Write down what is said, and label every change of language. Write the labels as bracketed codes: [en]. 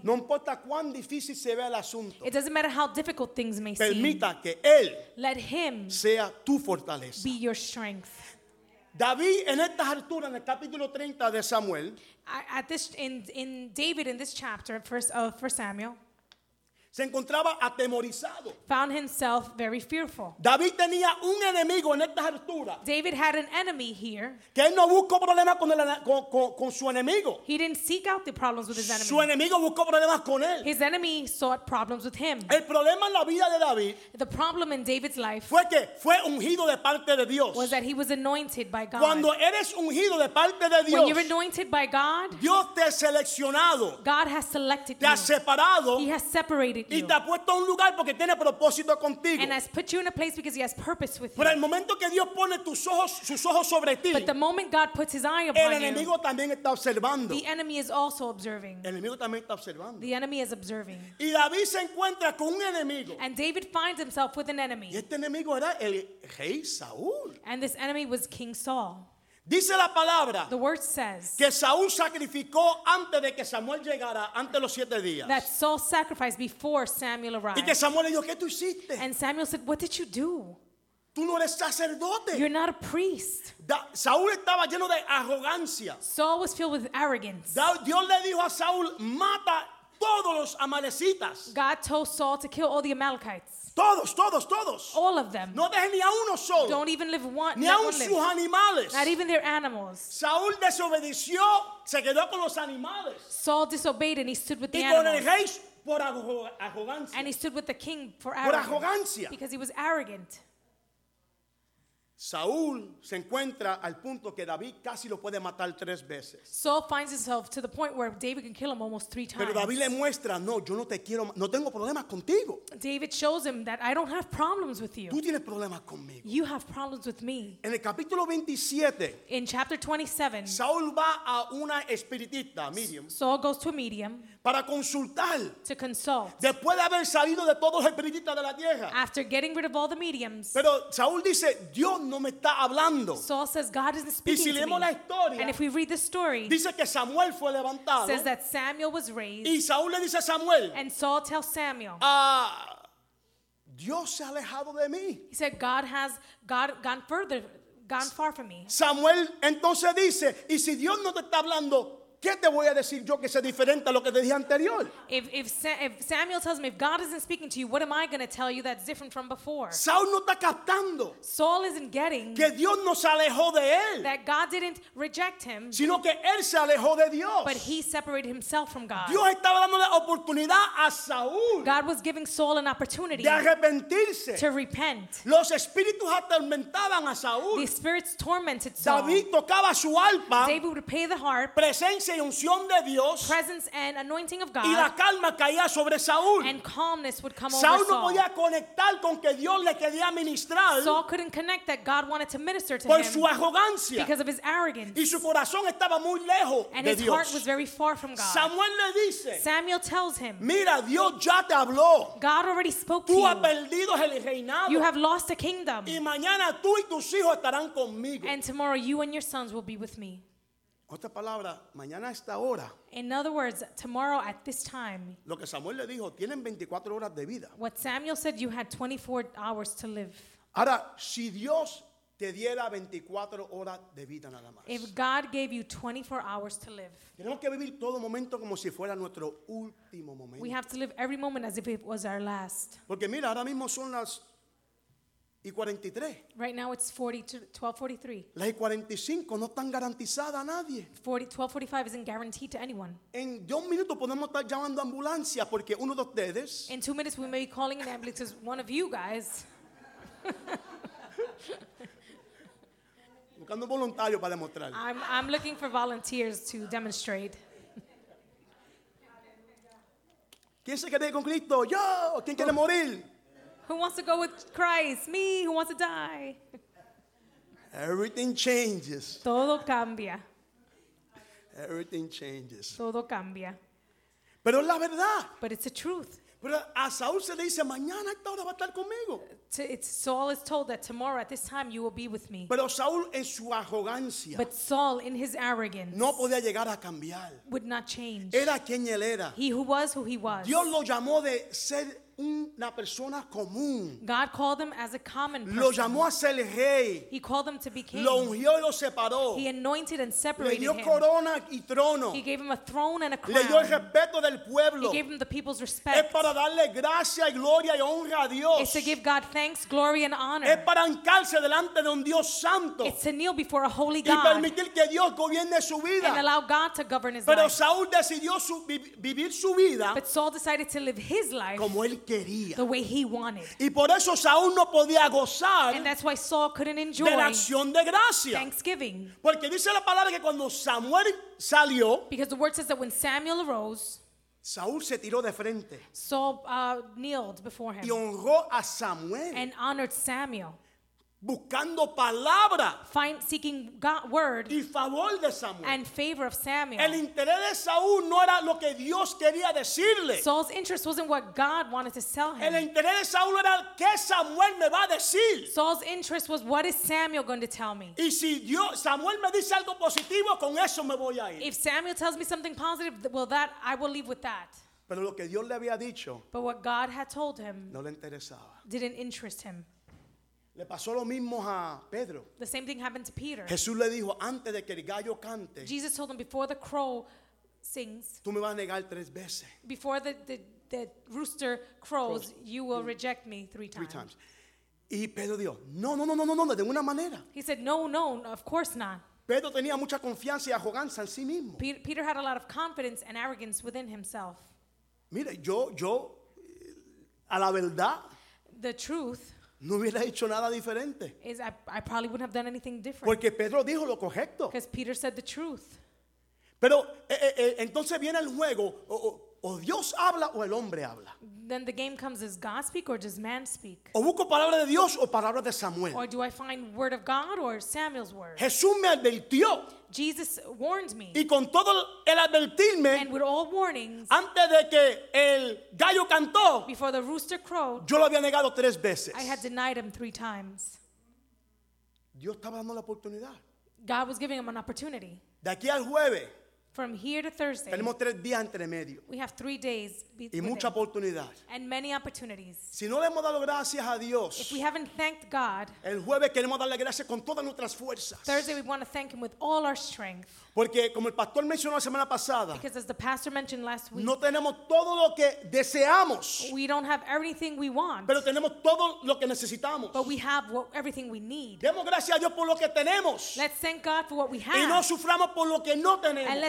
[es] No importa cuán difícil se vea el asunto. [en] It doesn't matter how difficult things may [es] permita [en] seem. [es] Que él. [en] Let him. [es] Sea tu fortaleza. [en] Be your strength. [es] David en estas alturas en el capítulo 30 de Samuel. [en] At this in David in this chapter first Samuel. [es] Se encontraba atemorizado. [en] Found himself very fearful. [es] David tenía un enemigo en estas alturas. [en] David had an enemy here. [es] Que él no buscó problemas con su enemigo. [en] He didn't seek out the problems with his enemy. [es] Su enemigo buscó problemas con él. [en] His enemy sought problems with him. [es] El problema en la vida de David. [en] The problem in David's life. [es] Fue que fue ungido de parte de Dios. [en] Was that he was anointed by God. [es] Cuando eres ungido de parte de Dios. [en] When you're anointed by God. [es] Dios te ha seleccionado. [en] God has selected you. [es] Te ha separado. [en] He has separated. [es] Y te ha puesto un lugar porque tiene propósito contigo. [en] And has put you in a place because he has purpose with you. [es] Pero el momento que Dios pone sus ojos sobre ti. [en] But the moment God puts his eye upon you. [es] El enemigo también está observando. [en] The enemy is also observing. [es] El enemigo también está observando. [en] The enemy is observing. [es] Y David se encuentra con un enemigo. [en] And David finds himself with an enemy. [es] Y este enemigo era el rey Saúl. [en] And this enemy was King Saul. [es] Dice la palabra. [en] The word says. [es] Que Saúl sacrificó antes de que Samuel llegara, antes de los 7 días. [en] That Saul sacrificed before Samuel arrived. [es] Y que Samuel le dijo, ¿qué tú hiciste? [en] And Samuel said, what did you do? [es] Tú no eres sacerdote. [en] You're not a priest. [es] Saúl estaba lleno de arrogancia. [en] Saul was filled with arrogance. [es] Dios le dijo a Saúl, mata todos los amalecitas. [en] God told Saul to kill all the Amalekites. [es] Todos. [en] All of them. [es] No dejen ni a uno solo. [en] Don't even live one. [es] Ni a un sus animales. [en] Not even their animals. [es] Saúl desobedeció, se quedó con los animales. [en] Saul disobeyed and he stood with the animals. [es] Y con el rey por arrogancia. [en] And he stood with the king for arrogance. [es] Por arrogancia. [en] Because he was arrogant. [es] Saúl se encuentra al punto que David casi lo puede matar 3 veces. [en] Saul finds himself to the point where David can kill him almost 3 times. [es] Pero David le muestra, no, yo no te quiero, no tengo problemas contigo. [en] David shows him that I don't have problems with you. [es] Tú tienes problemas conmigo. [en] You have problems with me. [es] En el capítulo 27. [en] In chapter 27. [es] Saúl va a una espiritista, medium. [en] Saul goes to a medium. [es] Para consultar. [en] To consult. [es] Después de haber salido de todos los espiritistas de la tierra. [en] After getting rid of all the mediums. [es] Pero Saúl dice, Dios no me está hablando. [en] Saul says God isn't speaking [es] y si leemos [en] to me. [es] La historia, [en] and if we read the story, [es] dice que Samuel fue levantado, [en] says that Samuel was raised. [es] Y Saúl le dice a Samuel, [en] and Saul tells Samuel, [es] Dios se ha alejado de mí. [en] He said God has gone far from me. [es] Samuel entonces dice, y si Dios no te está hablando, ¿qué te voy a decir yo que sea diferente a lo que te dije anterior? [en] If Samuel tells me, if God isn't speaking to you, what am I going to tell you that's different from before? [es] Saul no está captando. [en] Saul isn't getting. [es] Que Dios no se alejó de él. [en] That God didn't reject him. [es] Sino que él se alejó de Dios. [en] But he separated himself from God. [es] Dios estaba dando la oportunidad a Saul. [en] God was giving Saul an opportunity. [es] De arrepentirse. [en] To repent. [es] Los espíritus atormentaban a Saul. [en] The spirits tormented Saul. [es] David tocaba su arpa. [en] David would play the harp. Presence and anointing of God, [es] y la calma caía sobre Saúl. [en] And calmness would come [es] Saúl [en] over Saul. [es] Saul no podía conectar con que Dios le quería ministrar. [en] Saul couldn't connect that God wanted to minister to [es] por [en] him [es] su arrogancia. [en] Because of his arrogance. [es] Y su corazón estaba muy lejos [en] and [es] de [en] his [es] Dios. [en] Heart was very far from God. [es] Samuel le dice, [en] Samuel tells him, [es] mira, Dios ya te habló. [en] God already spoke [es] tú [en] to [es] has [en] you. [es] Perdido el reinado. [en] You have lost a kingdom. [es] Y mañana tú y tus hijos estarán conmigo. [en] And tomorrow you and your sons will be with me. [es] Otra palabra, mañana a esta hora. [en] In other words, tomorrow at this time. [es] Lo que Samuel le dijo, tienen 24 horas de vida. [en] What Samuel said, you had 24 hours to live. [es] Ahora, si Dios te diera 24 horas de vida nada más. [en] If God gave you 24 hours to live. [es] Tenemos que vivir todo momento como si fuera nuestro último momento. [en] We have to live every moment as if it was our last. [es] Porque mira, ahora mismo son las y 43. [en] Right now it's 12:43. [es] Las 45 no están garantizadas a nadie. [en] 12:45 isn't guaranteed to anyone. [es] En 2 minutos podemos estar llamando ambulancia porque uno de ustedes. [en] In 2 minutes we may be calling an ambulance because one of you guys. [es] Buscando voluntarios para demostrar. [en] I'm looking for volunteers to demonstrate. [es] ¿Quién se quiere con Cristo? Yo. ¿Quién quiere morir? [en] Who wants to go with Christ? Me, who wants to die? Everything changes. [es] Todo cambia. [en] Everything changes. [es] Todo cambia. Pero es la verdad. [en] But it's the truth. [es] Pero a Saúl se le dice, mañana esta hora va a estar conmigo. [en] Saul is told that tomorrow at this time you will be with me. [es] Pero Saúl en su arrogancia. [en] But Saul in his arrogance. [es] No podía llegar a cambiar. [en] Would not change. [es] Era quien él era. [en] He who was who he was. [es] Dios lo llamó de ser una persona común. [en] God called him as a common person. [es] Lo llamó a ser rey. [en] He called him to be king. [es] Lo ungió y lo separó. [en] He anointed and separated [es] le dio [en] him. [es] Corona y trono. [en] He gave him a throne and a crown. [es] Le dio el respeto del pueblo. [en] He gave him the people's respect. [es] Es para darle gracia y gloria y honra a Dios. [en] It's to give God thanks, glory and honor. [es] Es para encarse delante de un Dios santo. [en] It's to kneel before a holy God. [es] Y permitir que Dios gobierne su vida. [en] And allow God to govern his [es] pero [en] life. [es] Saúl decidió vivir su vida. [en] But Saul decided to live his life. [es] Como él [en] the way he wanted. [es] Y por eso Saúl no podía gozar. [en] And that's why Saul couldn't enjoy. [es] De la acción de gracia. [en] Thanksgiving. [es] Porque dice la palabra que cuando Samuel salió. [en] Because the word says that when Samuel arose. [es] Saúl se tiró de frente. [en] Saul kneeled before him. [es] Y honró a Samuel. [en] And honored Samuel. [es] Buscando palabra. [en] Seeking God, word. [es] Y favor de Samuel. [en] And favor of Samuel. [es] El interés de Saúl no era lo que Dios quería decirle. [en] Saul's interest wasn't what God wanted to tell him. [es] El interés de Saúl era qué Samuel me va a decir. [en] Saul's interest was what is Samuel going to tell me. [es] Y si Dios, Samuel me dice algo positivo, con eso me voy a ir. [en] If Samuel tells me something positive, well, that I will leave with that. [es] Pero lo que Dios le había dicho. [en] But what God had told him. [es] No le interesaba. [en] Didn't interest him. [es] Le pasó lo mismo a Pedro. [en] The same thing happened to Peter. [es] Jesús le dijo, antes de que el gallo cante, [en] Jesus told him before the crow sings, [es] tú me vas a negar tres veces. [en] Before the rooster crows, you will reject me three times. [es] Y Pedro dijo, no, de ninguna manera. [en] He said, no, of course not. [es] Pedro tenía mucha confianza y arrogancia en sí mismo. [en] Peter had a lot of confidence and arrogance within himself. [es] Mira, yo a la verdad, [en] the truth, [es] no hubiera hecho nada diferente. [en] I probably wouldn't have done anything different. [es] Porque Pedro dijo lo correcto. [en] Because Peter said the truth. [es] Pero entonces viene el juego. O Dios habla o el hombre habla. [en] Then the game comes, does God speak or does man speak? [es] O busco palabra de Dios o palabra de Samuel. [en] Or do I find word of God or Samuel's word? [es] Jesús me advirtió. [en] Jesus warned me. [es] Y con todo el advertirme. [en] And with all warnings. [es] Antes de que el gallo cantó. [en] Before the rooster crowed. [es] Yo lo había negado tres veces. [en] I had denied him three times. [es] Dios estaba dando la oportunidad. [en] God was giving him an opportunity. [es] De aquí al jueves, [en] from here to Thursday, [es] tenemos 3 días entre medio. [en] We have 3 days [es] y mucha oportunidad. [en] And many opportunities. [es] Si no le hemos dado gracias a Dios, [en] if we haven't thanked God, [es] el jueves queremos darle gracias con todas nuestras fuerzas. [en] Thursday we want to thank him with all our strength. [es] Porque como el pastor mencionó la semana pasada, [en] because as the pastor mentioned last week, [es] no tenemos todo lo que deseamos, [en] we don't have everything we want, [es] pero tenemos todo lo que necesitamos, [en] but we have everything we need. [es] Demos gracias a Dios por lo que tenemos, [en] let's thank God for what we have, [es] y no suframos por lo que no tenemos,